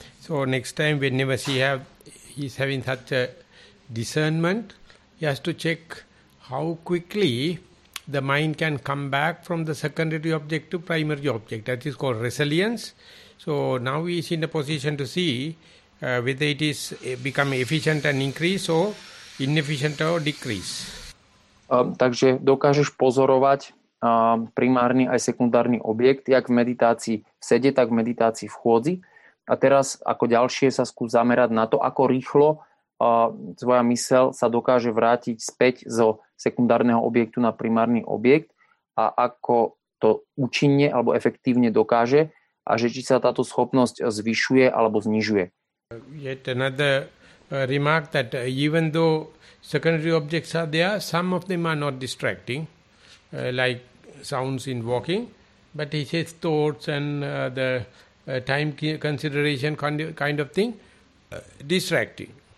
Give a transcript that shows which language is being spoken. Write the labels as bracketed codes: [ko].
[en] So next time, whenever he's having such a discernment, he has to check how quickly the mind can come back from the secondary object to primary object. That is called resilience. So now he is in a position to see whether it is become efficient and increase or inefficient or decrease. [sk] Takže dokážeš pozorovať primárny aj sekundárny objekt, jak v meditácii v sede, tak v meditácii v chôdzi. A teraz ako ďalšie sa skús zamerať na to, ako rýchlo tvoja mysel sa dokáže vrátiť späť zo sekundárneho objektu na primárny objekt a ako to účinne alebo efektívne dokáže a že či sa táto schopnosť zvyšuje alebo znižuje. [en] Yet another remark that even though secondary objects are there, some of them are not distracting. Like sounds in walking, but he says thoughts and the time consideration kind of thing, distracting.